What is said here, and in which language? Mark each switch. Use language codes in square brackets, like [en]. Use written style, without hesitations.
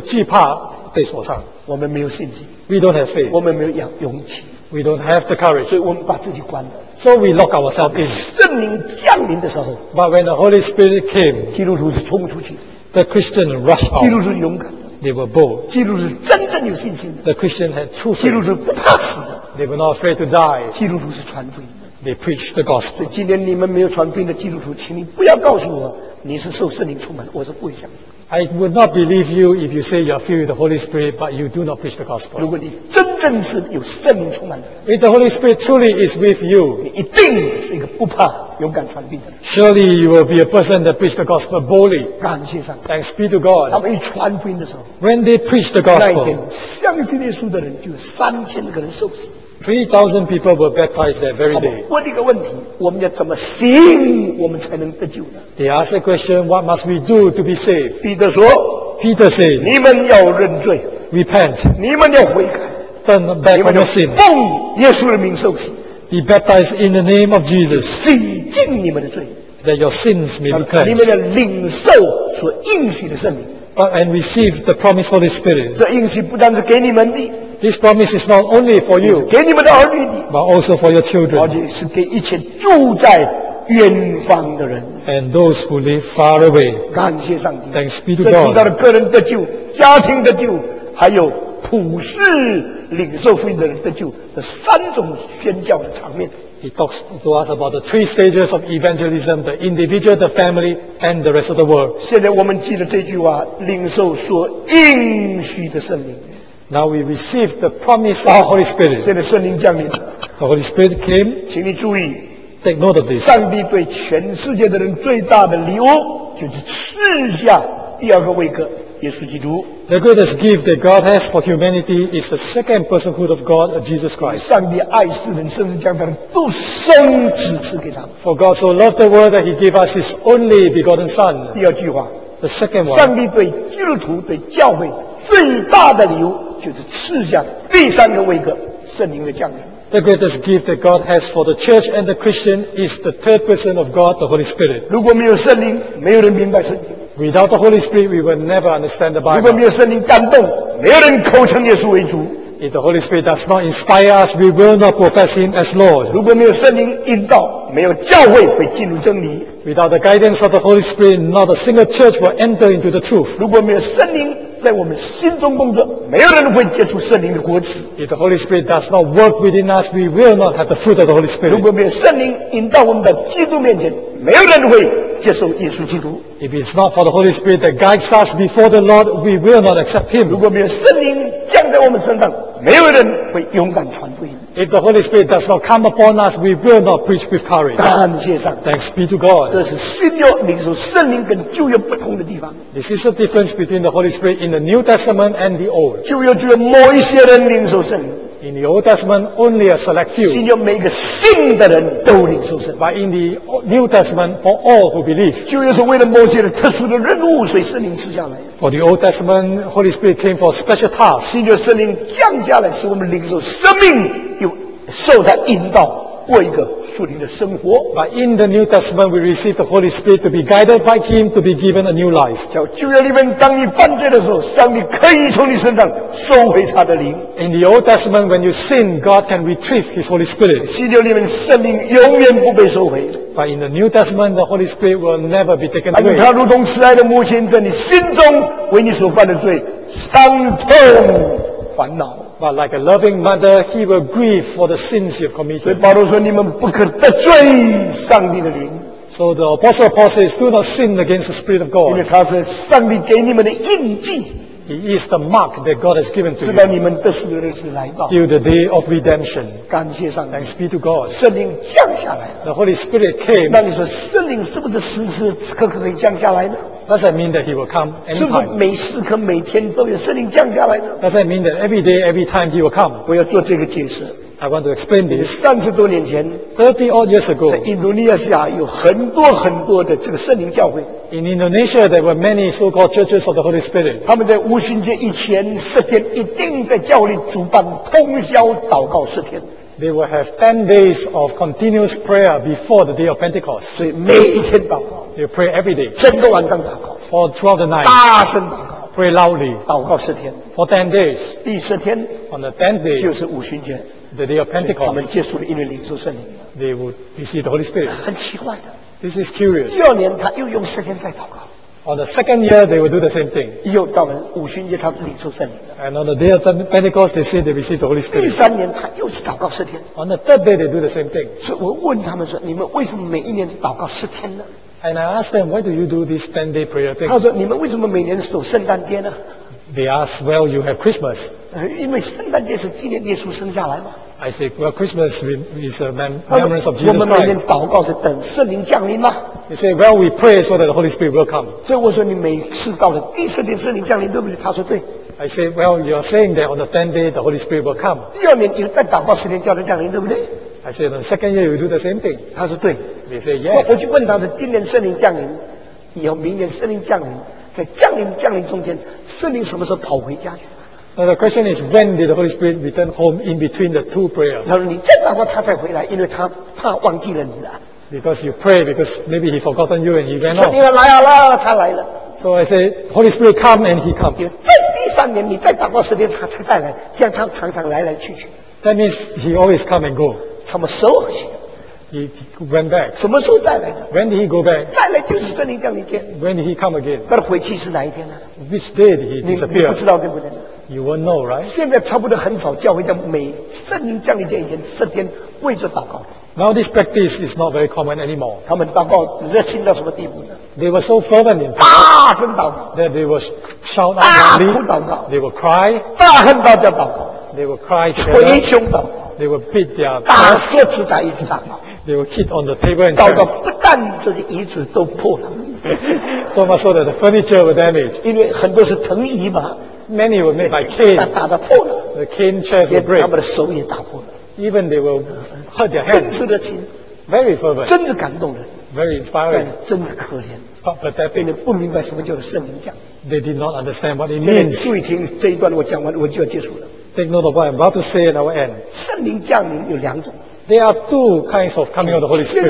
[zh] 福音的门都是因为我们自己基督徒的惧怕被锁上。我们没有信心。 [en] We don't have faith. [zh] 我们没有勇气。 [en] We don't have the courage. [zh] 所以我们把自己关了。 [en] So we lock ourselves in. [zh] 圣灵降临的时候。 [en] But when the Holy Spirit came. [zh] 基督徒是冲出去。 [en] The Christian rushed out. [zh] 基督徒是勇敢。 [en] They were bold. [zh] 基督徒是真正有信心的。 [en] The Christian had true faith. [zh] 基督徒不怕死的。 [en] They were not afraid to die. [zh] 基督徒是传福音的。 [en] They preached the gospel. [zh] 所以今天你们没有传福音的基督徒，请你不要告诉我。你是受圣灵充满，我是不会相信。 [en] I would not believe you if you say you are filled with the Holy Spirit, but you do not preach the gospel. [zh] 如果你真正是有圣灵充满的 [en] ，If the Holy Spirit truly is with you, [zh] 你一定是一个不怕、勇敢传福音的。 [en] Surely you will be a person that preach the gospel boldly. [zh] 感谢上帝 [en] ，Thanks be to God. [zh] 他们一传福音的时候 [en] ，When they preach the gospel, [zh] 那一天相信耶稣的人就3000个人受洗。 [en] 3,000 people were baptized that very day. [zh] 问一个问题，我们要怎么行，我们才能得救呢 [en] ？They ask a question: What must we do to be saved? [zh] 彼得说 [en] Peter say, [zh] 你们要认罪 [en] ，repent， [zh] 你们要悔改 [en] ，turn back on your sin， [zh] 你们要奉耶稣的名受洗 [en] ，be baptized in the name of Jesus， [zh] 洗净你们的罪 [en] ，that your sins may be cleansed， [zh] 你们要领受所应许的圣灵。 [en] And receive the promised Holy Spirit. [zh] 这应许不单是给你们的。 [en] This promise is not only for you, [zh] 给你们的儿女的， [en] but also for your children. [zh] 而且是给一切住在远方的人。 [en] And those who live far away. [zh] 感谢上帝。 [en] Thanks be to God. [zh] 这提到了个人得救、家庭得救，还有普世领受福音的人得救的三种宣教的场面。 [en] He talks to us about the three stages of evangelism, the individual, the family, and the rest of the world. [zh] 现在我们记得这句话，领受所应许的圣灵。 [en] Now we receive the promise of the Holy Spirit. [zh] 现在圣灵降临。 [en] The Holy Spirit came. [zh] 请你注意。 [en] Take note of this. [zh] 上帝对全世界的人最大的礼物，就是赐下第二个位格，耶稣基督。 [en] The greatest gift that God has for humanity is the second personhood of God, Jesus Christ. [zh] 上帝爱世人，甚至将他的独生子赐给他们。 [en] For God so loved the world that He gave us His only begotten Son. [zh] 第二句话。 [en] The second one. [zh] 上帝对基督徒、对教会最大的礼物，就是赐下第三个位格，圣灵的降临。 [en] The greatest gift that God has for the church and the Christian is the third person of God, the Holy Spirit. [zh] 如果没有圣灵，没有人明白圣经。 [en] Without the Holy Spirit, we will never understand the Bible. [zh] 如果没有圣灵感动，没有人口称耶稣为主。 [en] If the Holy Spirit does not inspire us, we will not profess Him as Lord. [zh] 如果没有圣灵引导，没有教会会进入真理。 [en] Without the guidance of the Holy Spirit, not a single church will enter into the truth. [zh] 如果没有圣灵在我们心中工作，没有人会结出圣灵的果子。 [en] If the Holy Spirit does not work within us, we will not have the fruit of the Holy Spirit. [zh] 如果没有圣灵引导我们在基督面前，没有人会接受耶稣基督。 [en] If it's not for the Holy Spirit that guides us before the Lord, we will not accept Him. [zh] 如果没有圣灵降在我们身上，没有人会勇敢传福音。 [en] If the Holy Spirit does not come upon us, we will not preach with courage. [zh] 感谢上帝。 [en] Thanks be to God. [zh] 这是新约领受圣灵跟旧约不同的地方。 [en] This is the difference between the Holy Spirit in the New Testament and the Old. [zh] 旧约只有某一些人领受圣灵。 [en] In the Old Testament, only a select few. [zh] 新约每一个信的人都领受圣灵。 [en] But in the New Testament, for all who believe. [zh] 旧约是为了某些特殊的任务，所以圣灵赐下来。 [en] For the Old Testament, Holy Spirit came for a special task. [zh] 新约圣灵降下来，使我们领受生命，又受他引导，过一个属灵的生活。 [en] But in the New Testament, we receive the Holy Spirit to be guided by Him, to be given a new life. [zh] 叫旧约里面，当你犯罪的时候，上帝可以从你身上收回他的灵。 [en] In the Old Testament, when you sin, God can retrieve His Holy Spirit. [zh] 新约里面，圣灵永远不被收回。 [en] But in the New Testament, the Holy Spirit will never be taken away. [zh] 他如同慈爱的母亲，在你心中为你所犯的罪伤痛烦恼。 [en] But like a loving mother, he will grieve for the sins you've committed. [zh] 所以保罗说，你们不可得罪上帝的灵。 [en] So the apostle Paul says, do not sin against the Spirit of God. [zh] 因为他是上帝给你们的印记。 [en] He is the mark that God has given to you. [zh] 直到你们得救的日子来到。 [en] Till the day of redemption. [zh] 感谢上帝。 [en] Thanks be to God. [zh] 圣灵降下来。 [en] The Holy Spirit came. [zh] 那你说圣灵是不是时时刻刻可以降下来呢？ [en] Does that mean that He will come anytime? [zh] 是不是每时刻每天都有圣灵降下来呢？ [en] Does that mean that every day, every time He will come? [zh] 我要做这个解释。 [en] I want to explain this. [zh] 30多年前 [en] 30 odd years ago, [zh] 在印度尼西亚有很多很多的这个圣灵教会。 [en] In Indonesia, there were many so-called churches of the Holy Spirit. [zh] 他们在五旬节以前十天一定在教会主办通宵祷告十天。 [en] They will have 10 days of continuous prayer before the day of Pentecost. [zh] 所以每一天祷告。 [en] You pray every day. [zh] 整个晚上祷告。 [en] For throughout the night. [zh] 大声祷告。 [en] Pray loudly. [zh] 祷告十天。 [en] For 10 days. [zh] 第十天。 [en] On the 10th day. [zh] 就是五旬节。 [en] The day of Pentecost. [zh] 所以他们接触了因为领受圣灵。 [en] They would receive the Holy Spirit. [zh] 很奇怪的。 [en] This is curious. [zh] 第二年他又用十天再祷告。 [en] On the second year, they will do the same thing. [zh] 又到了五旬节，他们领受圣灵。 [en] And on the day of Pentecost, they say they receive the Holy Spirit. [zh] 第三年，他又是祷告十天。 [en] On the third day, they do the same thing. [zh] 所以我问他们说：“你们为什么每一年祷告十天呢？” [en] And I ask them, why do you do this 10-day prayer thing? [zh] 他说：“你们为什么每年守圣诞节呢？” [en] They ask, well, you have Christmas. [zh] 因为圣诞节是纪念耶稣生下来嘛。 [en] I say, well, Christmas is a remembrance of Jesus Christ. [zh] 我们每年祷告是等圣灵降临吗？ [en] He say, well, we pray so that the Holy Spirit will come. [zh] 所以我说你每次到了第十天圣灵降临，对不对？他说对。 [en] I say, well, you are saying that on the 10th day the Holy Spirit will come. [zh] 第二年又再祷告十天叫他降临，对不对？ [en] I say, the second year you do the same thing. [zh] 他说对。 [en] He say, yes. [zh] 我去问他的今年圣灵降临，以后明年圣灵降临，在降临中间，圣灵什么时候跑回家去？ [en] Now the question is, when did the Holy Spirit return home in between the two prayers? [zh] 他说你再祷告他才回来，因为他怕忘记了你了。 [en] Because you pray, because maybe he forgotten you and he went off. [zh] 圣灵来了啦，他来了。 [en] So I say, Holy Spirit come and he comes. [zh] 在第三年你再祷告十天，他才再来，这样他常常来来去去。 [en] That means he always come and go. [zh] 什么时候去？ [en] He went back. [zh] 什么时候再来的？ [en] When did he go back? [zh] 再来就是圣灵降临前。 [en] When did he come again? [zh] 他的回去是哪一天呢？ [en] Which day did he disappear? [zh] 你不知道对不对？ [en] You won't know, right? [zh] 现在差不多很少教会在每圣灵降临前以前十天跪着祷告。 [en] Now this practice is not very common anymore. [zh] 他们祷告热心到什么地步呢？ [en] They were so fervent in prayer. [zh] 大声祷告。 [en] That they would shout out loudly. They would cry. [zh] 大喊大叫祷告。 [en] They would cry. [zh] 捶胸祷告。 [en] They would beat their chest. [zh] 打桌子打椅子祷告。 [en] They would hit on the table and [zh] 祷告不但这些椅子都破了。 [en] So much so that the furniture was damaged. [zh] 因为很多是藤椅嘛。 [en] Many were made by cane. [zh] 打得破了。 [en] The cane chairs would break. [zh] 他们的手也打破了。 [en] Even they will hurt their hands. [zh] 真实的情 [en] very fervent. [zh] 真是感动人 [en] very inspiring. [zh] 真是可怜 [en] but pathetic. [zh] 不明白什么叫做圣灵降临 [en] they did not understand what it means. [zh] 注意听这一段我讲完我就要结束了 [en] take note of what I'm about to say and I will end. [zh] 圣灵降临有两种 [en] there are two kinds of coming of the Holy Spirit.